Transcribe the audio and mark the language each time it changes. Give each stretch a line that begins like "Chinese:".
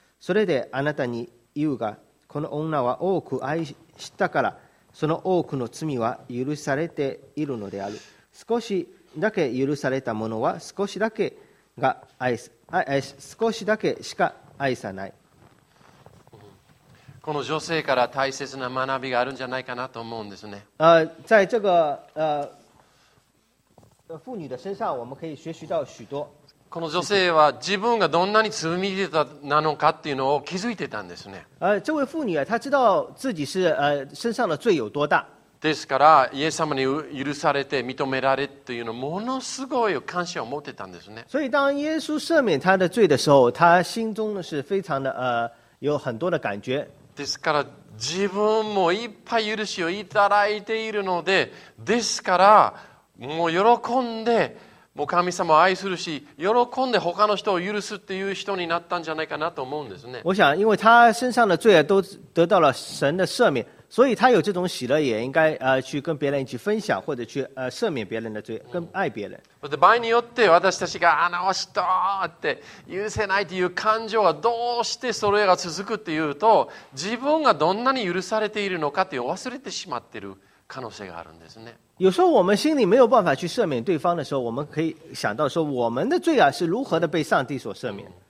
Japanese: それであなたに言うが、この女は多く愛したから、その多くの罪は許されているのである。少しだけ許されたものは少しだけが愛す、少しだけしか愛さない。この女性から大切な学びがあるんじゃないかなと思うんですね。
Chinese: 在这个妇女的身上我们可以学习到许多。
Japanese: この女性は自分がどんなに罪人なのかっていうのを気づいてたんですね。
Chinese: 这位妇女啊，她知道自己是身上的罪有多大。
Japanese: ですからイエス様に許されて認められというのものすごい感謝を持ってたんですね。
Chinese: 所以当耶稣赦免他的罪的时候，他心中是非常的有很多的感觉。
Japanese: ですから自分もいっぱい許しをいただいているので、ですからもう喜んで。もう神様を愛するし喜んで他の人を許すっていう人になったんじゃないかなと思うんですね。
Chinese: 我想因为他身上的罪都得到了神的赦免，所以他有这种喜乐，也应该去跟别人一起分享，或者去赦免别人的罪，跟爱别人。
Japanese: 場合によって私たちがあの人って許せないという感情はどうしてそれが続くっていうと、自分がどんなに許されているのかっていうのを忘れてしまってる可能性があるんですね。
Chinese: 有时候我们心里没有办法去赦免对方的时候，我们可以想到说，我们的罪啊是如何的被上帝所赦免。